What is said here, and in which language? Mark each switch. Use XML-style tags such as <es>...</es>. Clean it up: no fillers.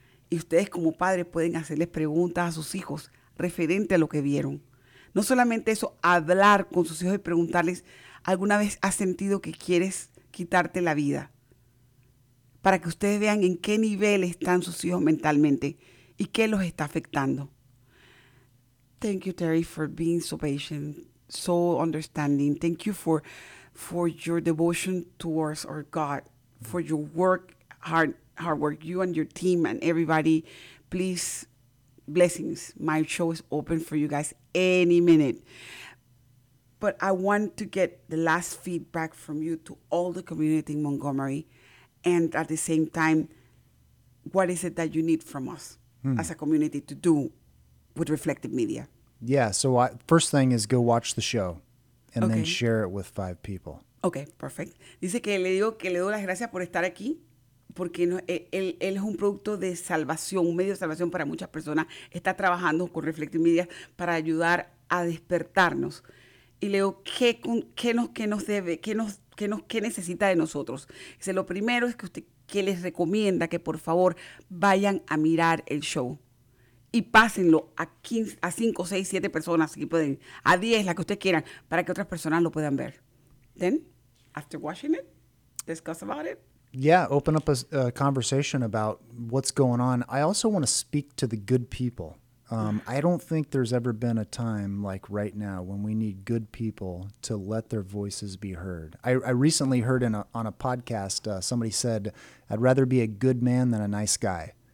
<es>Y ustedes como padres pueden hacerles preguntas a sus hijos referente a lo que vieron. No solamente eso, hablar con sus hijos y preguntarles, ¿alguna vez has sentido que quieres quitarte la vida? Para que ustedes vean en qué nivel están sus hijos mentalmente y qué los está afectando.</es> <en>Thank you, Terry, for being so patient, so understanding. Thank you for your devotion towards our God, for your work, hard work, you and your team and everybody. Please, blessings. My show is open for you guys any minute. But I want to get the last feedback from you to all the community in Montgomery. And at the same time, what is it that you need from us as a community to do with Reflective Media? Yeah, so first thing is go watch the show and then share it with 5 people. Okay, perfect.</en> <es>Dice que le digo que le doy las gracias por estar aquí, porque él es un producto de salvación, un medio de salvación para muchas personas. Está trabajando con Reflective Media para ayudar a despertarnos. Y le digo, ¿qué necesita de nosotros? Dice, lo primero es que usted, que les recomienda que por favor vayan a mirar el show. Y pásenlo a 5, 6, 7 personas, si pueden, a 10, la que ustedes quieran, para que otras personas lo puedan ver.</es> <en>Then, after watching it, discuss about it. Yeah, open up a conversation about what's going on. I also want to speak to the good people. I don't think there's ever been a time like right now when we need good people to let their voices be heard. I recently heard on a podcast, somebody said, I'd rather be a good man than a nice guy.</en>